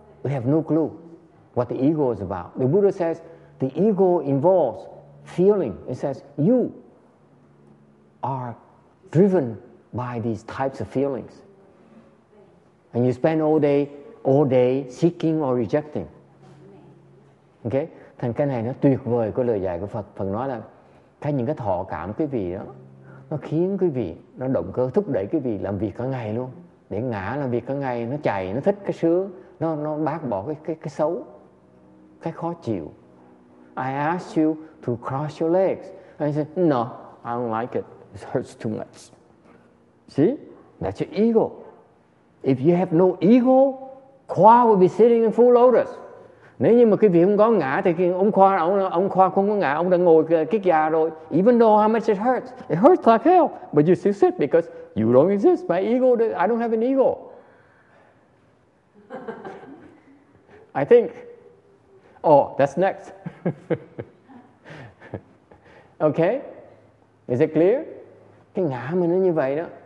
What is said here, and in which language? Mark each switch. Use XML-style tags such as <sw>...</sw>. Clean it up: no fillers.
<en>We have no clue what the ego is about. The Buddha says the ego involves feeling. It says you are driven by these types of feelings. And you spend all day seeking or rejecting.</en> <vi>Okay? Thành cái này nó tuyệt vời của lời dạy của Phật. Phật nói là cái những cái thọ cảm quý vị đó, nó khiến quý vị, nó động cơ thúc đẩy quý vị làm việc cả ngày luôn, để ngã làm việc cả ngày, nó chạy, nó thích cái sướng, nó bác bỏ cái xấu, cái khó chịu.</vi> <en>I ask you to cross your legs. And he said, no, I don't like it. It hurts too much. See? That's your ego. If you have no ego, Khoa will be sitting in full lotus.</en> <vi>Nếu như mà quý vị không có ngã thì ông Khoa không có ngã, ông đã ngồi kiết già rồi.</vi> <en>Even though how much it hurts like hell, but you still sit because you don't exist. My ego, I don't have an ego. I think. Oh, that's next. Okay? Is it clear?</en> <vi>Cái ngã mà nó như vậy đó.</vi>